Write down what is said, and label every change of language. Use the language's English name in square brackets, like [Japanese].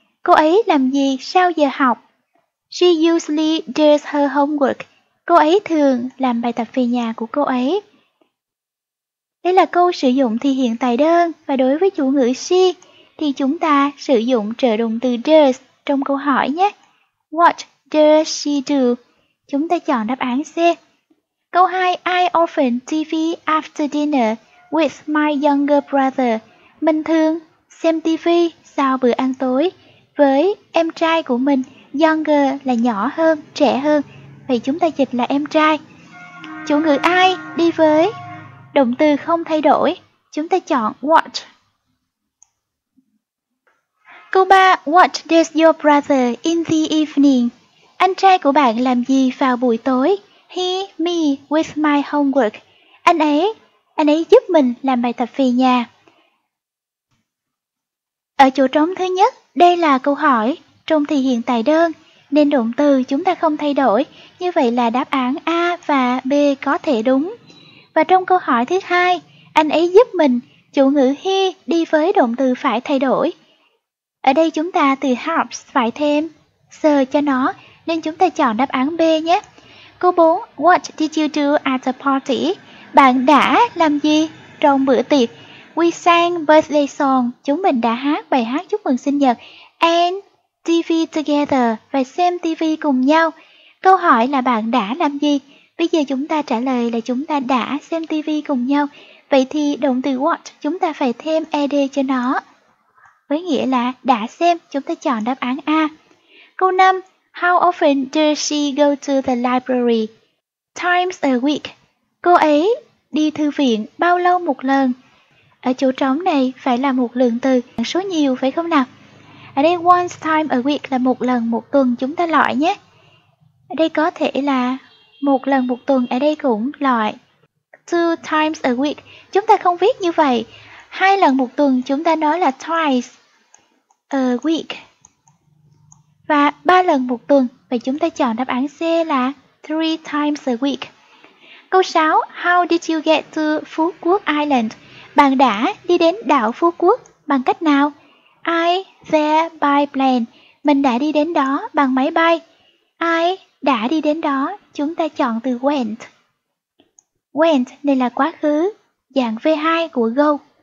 [Vietnamese] Cô ấy làm gì sau giờ học? [English] She usually does her homework. [Vietnamese] Cô ấy thường làm bài tập về nhà của cô ấy. Đây là câu sử dụng thì hiện tại đơn và đối với chủ ngữ she thì chúng ta sử dụng trợ động từ does trong câu hỏi nhé. [English] What does she do? [Vietnamese] Chúng ta chọn đáp án C. Câu 2. [English] I often TV after dinner with my younger brother. [Vietnamese] Mình thường xem TV sau bữa ăn tối với em trai của mình. Younger là nhỏ hơn, trẻ hơn. Vậy chúng ta dịch là em trai. Chủ ngữ I đi với. Động từ không thay đổi. Chúng ta chọn what. Câu 3. [English] What does your brother in the evening? [Vietnamese] Anh trai của bạn làm gì vào buổi tối? [English] He, me, with my homework. [Vietnamese] Anh ấy giúp mình làm bài tập về nhà. Ở chỗ trống thứ nhất, đây là câu hỏi. Trong thì hiện tại đơn. Nên động từ chúng ta không thay đổi, như vậy là đáp án A và B có thể đúng. Và trong câu hỏi thứ hai, anh ấy giúp mình, chủ ngữ he đi với động từ phải thay đổi. Ở đây chúng ta từ helps phải thêm sờ cho nó, nên chúng ta chọn đáp án B nhé. Câu 4, [English] what did you do at the party? [Vietnamese] Bạn đã làm gì trong bữa tiệc? [English] We sang birthday song, [Vietnamese] chúng mình đã hát bài hát chúc mừng sinh nhật, [English] and TV together [Vietnamese] và xem TV cùng nhau. Câu hỏi là bạn đã làm gì? Bây giờ chúng ta trả lời là chúng ta đã xem TV cùng nhau. Vậy thì động từ watch chúng ta phải thêm ed cho nó. Với nghĩa là đã xem, chúng ta chọn đáp án A. Câu 5. [English] How often does she go to the library? Times a week. [Vietnamese] Cô ấy đi thư viện bao lâu một lần? Ở chỗ trống này phải là một lượng từ, số nhiều phải không nào? Ở đây [English] once time a week [Vietnamese] là một lần một tuần chúng ta loại nhé. Ở đây có thể là một lần một tuần, ở đây cũng loại. [English] Two times a week, [Vietnamese] chúng ta không viết như vậy. Hai lần một tuần chúng ta nói là [English] twice a week. [Vietnamese] Và ba lần một tuần, vậy chúng ta chọn đáp án C là [English] three times a week. [Vietnamese] Câu 6, [English] how did you get to Phú Quốc Island? [Vietnamese] Bạn đã đi đến đảo Phú Quốc bằng cách nào? [English] I there by plane. [Vietnamese] Mình đã đi đến đó bằng máy bay. I đã đi đến đó. Chúng ta chọn từ went. Went này là quá khứ, dạng V2 của go.